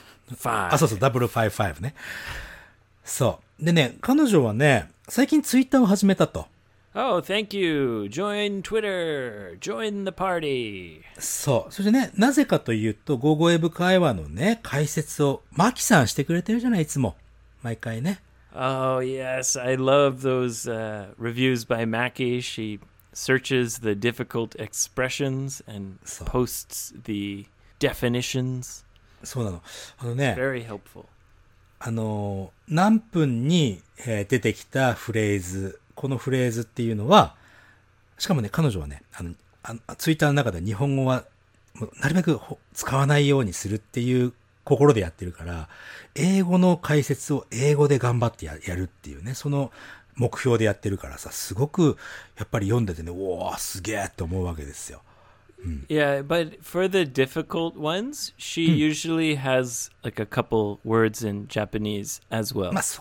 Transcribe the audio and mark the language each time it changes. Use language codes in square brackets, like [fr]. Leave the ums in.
[ja] うん、あ、そうそう、005.5ね。そう。でね、彼女はね、最近ツイッターを始めたと。 [en] Oh, thank you. Join Twitter. Join the party. [ja] そう。そしてね、なぜかというと、ゴーゴエブ会話のね、解説をマキさんしてくれてるじゃない、いつも。毎回ね。 [en] Oh, yes. I love those、uh, reviews by Maki. She searches the difficult expressions and posts the definitions. [ja] そうなの。あのね。 [en] Very helpful. [ja] あの、何分に、えー、出てきたフレーズ。このフレーズっていうのは、しかもね、彼女はね、あの、あのツイッターの中で日本語は、なるべく使わないようにするっていう心でやってるから、英語の解説を英語で頑張ってやるっていうね、その目標でやってるからさ、すごく、やっぱり読んでてね、おおすげえと思うわけですよ。 [en] Yeah, but for the difficult ones, she usually has like a couple words in Japanese as well.